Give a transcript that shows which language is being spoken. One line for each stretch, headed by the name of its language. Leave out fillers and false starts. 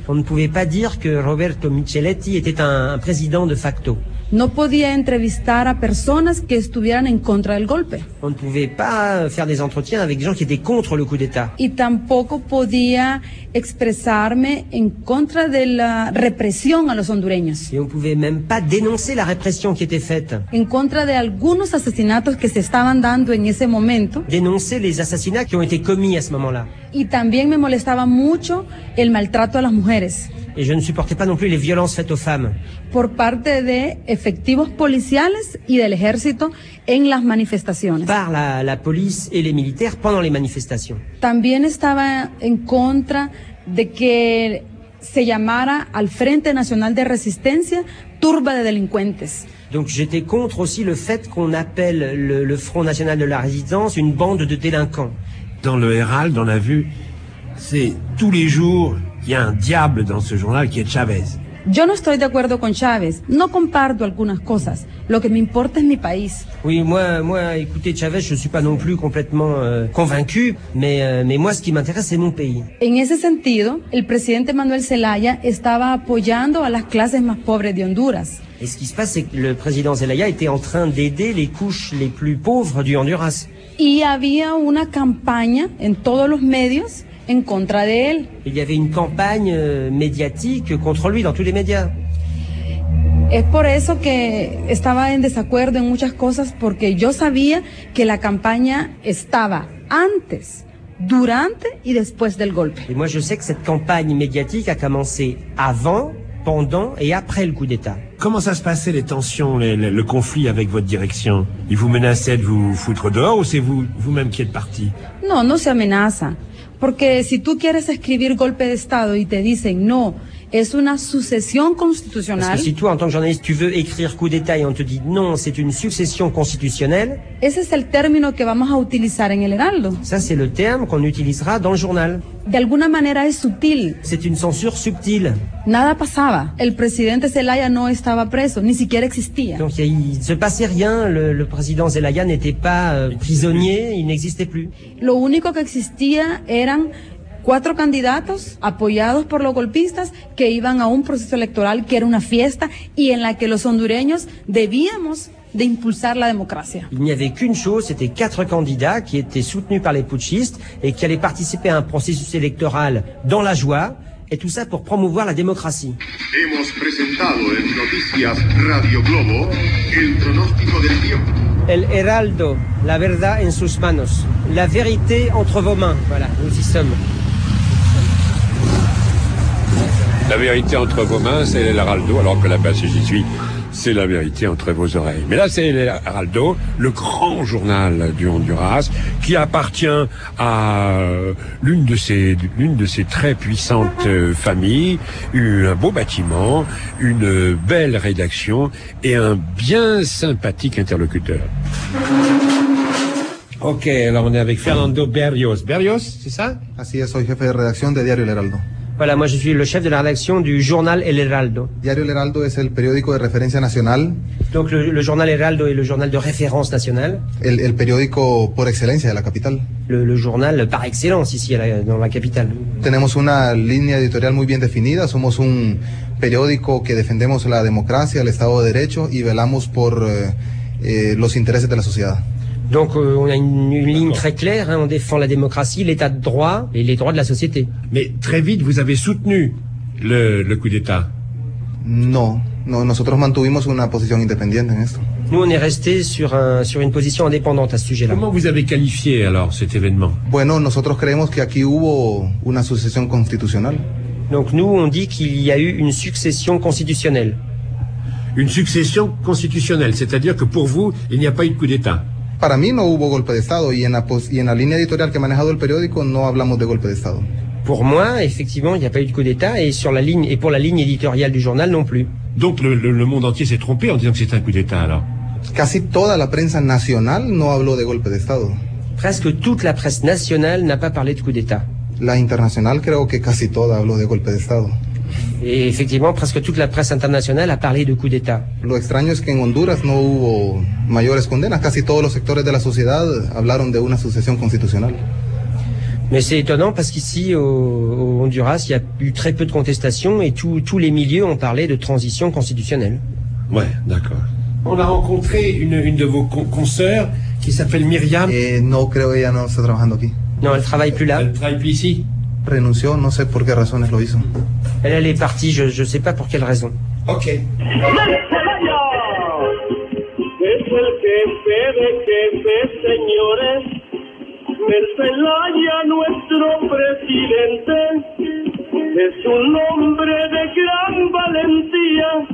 French: On ne pouvait pas dire que Roberto Michelletti était un président de facto.
Spanish: No podía entrevistar a personas que estuvieran en contra del golpe.
French: On ne pouvait pas faire des entretiens avec des gens qui étaient contre le coup d'état.
Spanish: Y tampoco podía expresarme en contra de la represión a los hondureños.
French: Et on pouvait même pas dénoncer la répression qui était faite.
Spanish: En contra de algunos asesinatos que se estaban dando en ese momento.
French: Dénoncer les assassinats qui ont été commis à ce moment-là.
Spanish: Y también me molestaba mucho el maltrato a las mujeres.
French: Et je ne supportais pas non plus les violences faites aux femmes.
Spanish: Por parte de efectivos policiales y del ejército en las manifestaciones.
French: Par la police et les militaires pendant les manifestations.
Spanish: También estaba en contra de que se llamara al Frente Nacional de Resistencia turba de delincuentes.
French: Donc j'étais contre aussi le fait qu'on appelle le Front National de la Résistance une bande de délinquants. Dans le Herald, on a vu, c'est tous les jours, il y a un diable dans ce journal qui est Chavez.
Spanish: Yo no estoy de acuerdo con Chávez. No comparto algunas cosas. Lo que me importa es mi país.
French: Oui, moi, écoutez, Chávez, je suis pas non plus complètement convaincu, mais moi, ce qui m'intéresse, c'est mon pays.
Spanish: En ese sentido, el presidente Manuel Zelaya estaba apoyando a las clases más pobres de Honduras.
French: Et ce qui se passe, c'est que le président Zelaya était en train d'aider les couches les plus pauvres du Honduras.
Spanish: Y había una campaña en todos los medios en contra de él.
French: Il y avait une campagne médiatique contre lui dans tous les médias.
Spanish: Es por eso que estaba en desacuerdo en muchas cosas, porque yo sabía que la campaña estaba antes, durante y después del golpe.
French: Y moi je sais que cette campagne médiatique a commencé avant, pendant et après le coup d'État. Comment ça se passait, les tensions, le conflit avec votre direction? Ils vous menaçaient de vous foutre dehors ou c'est vous-même qui êtes parti?
Spanish: Non, no se amenaza. Porque si tú quieres escribir golpe de Estado y te dicen no, es una sucesión constitucional.
French: Parce que si toi, en tant que journaliste, tu veux écrire coup d'État et on te dit non, c'est une succession constitutionnelle.
Spanish: Ese es el término que vamos a utilizar en el Heraldo.
French: Ça, c'est le terme qu'on utilisera dans le journal.
Spanish: De alguna manera es sutil.
French: C'est une censure subtile.
Spanish: Nada pasaba. El presidente Zelaya no estaba preso, ni siquiera existía.
French: Donc il se passait rien, le président Zelaya n'était pas prisonnier, il n'existait plus.
Spanish: Lo único que existía eran cuatro candidatos apoyados por los golpistas que iban a un proceso electoral que era una fiesta y en la que los hondureños debíamos de impulsar la democracia.
French: Il n'y avait qu'une chose, c'était quatre candidats qui étaient soutenus par les putschistes et qui allaient participer à un processus électoral dans la joie, et tout ça pour promouvoir la démocratie.
Spanish: Hemos presentado en Noticias Radio Globo el pronóstico del tiempo. El Heraldo, la verdad en sus manos.
French: La vérité entre vos mains. Voilà, nous y sommes. La vérité entre vos mains, c'est l'Heraldo, alors que là-bas, si j'y suis, c'est la vérité entre vos oreilles. Mais là, c'est l'Heraldo, le grand journal du Honduras, qui appartient à l'une de ces très puissantes familles, un beau bâtiment, une belle rédaction et un bien sympathique interlocuteur. Ok, alors on est avec Fernando Berrios. Berrios, c'est ça?
Spanish: Así es, soy jefe de redacción de Diario L'Heraldo.
French: Voilà, moi je suis le chef de la rédaction du journal El Heraldo.
Spanish: Diario El Heraldo es el periódico de referencia nacional.
French: Donc le journal El Heraldo est le journal de référence nationale.
Spanish: El periódico por excelencia de la capital.
French: Le journal par excellence ici dans la capitale.
Spanish: Tenemos una línea editorial muy bien definida, somos un periódico que defendemos la democracia, el estado de derecho y velamos por los intereses de la sociedad.
French: Donc on a une ligne très claire, hein, on défend la démocratie, l'état de droit et les droits de la société. Mais très vite, vous avez soutenu le coup d'État.
Spanish: Non, nosotros mantuvimos una posición independiente en esto.
French: Nous, on est resté sur une position indépendante à ce sujet-là. Comment vous avez qualifié alors cet événement?
Spanish: Bueno, nosotros creemos que aquí hubo una sucesión constitucional.
French: Donc nous, on dit qu'il y a eu une succession constitutionnelle. Une succession constitutionnelle, c'est-à-dire que pour vous, il n'y a pas eu de coup d'État.
Spanish: Para mí no hubo golpe de Estado y en la línea editorial que ha manejado el periódico no hablamos de golpe de Estado.
French: Pour moi, effectivement, il n'y a pas eu de coup d'État et pour la ligne éditoriale du journal non plus. Donc le monde entier s'est trompé en disant que c'était un coup d'État alors.
Spanish: Casi toda la prensa nacional no habló de golpe de Estado.
French: Presque toute la presse nationale n'a pas parlé de coup d'État.
Spanish: La internacional creo que casi toda habló de golpe de Estado.
French: Et effectivement, presque toute la presse internationale a parlé de coup d'État.
Spanish: Lo extraño es que en Honduras no hubo mayores condenas. Casi todos los sectores de la sociedad hablaron de una sucesión constitucional.
French: Mais c'est étonnant parce qu'ici, au Honduras, il y a eu très peu de contestations et tous les milieux ont parlé de transition constitutionnelle. Ouais, d'accord. On a rencontré une de vos consoeurs qui s'appelle Myriam. Et non,
Spanish: creo que ya no está trabajando aquí.
French: Non, elle travaille plus là. Elle travaille plus ici.
Spanish: Renunció, no sé por qué razones lo hizo.
French: Elle est partie, je sais pas pour quelle raison. Ok.
Spanish: Es el jefe de jefes, señores. El Zelaya, nuestro presidente. Es un hombre de gran valentía.